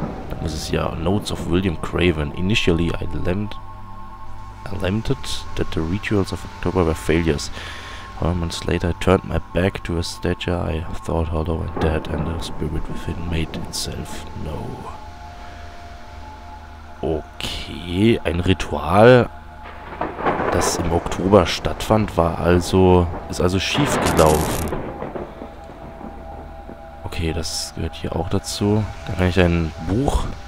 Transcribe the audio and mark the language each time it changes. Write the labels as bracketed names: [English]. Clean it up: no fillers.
[German] Dann ist es ja Notes of William Craven. [English] Initially I lamented that the rituals of October were failures. 1 month later I turned my back to a statue I thought hollow and dead and the spirit within made itself know. [German] Okay, ein Ritual, das im Oktober stattfand, ist also schief gelaufen. Okay, das gehört hier auch dazu. Da kann ich ein Buch.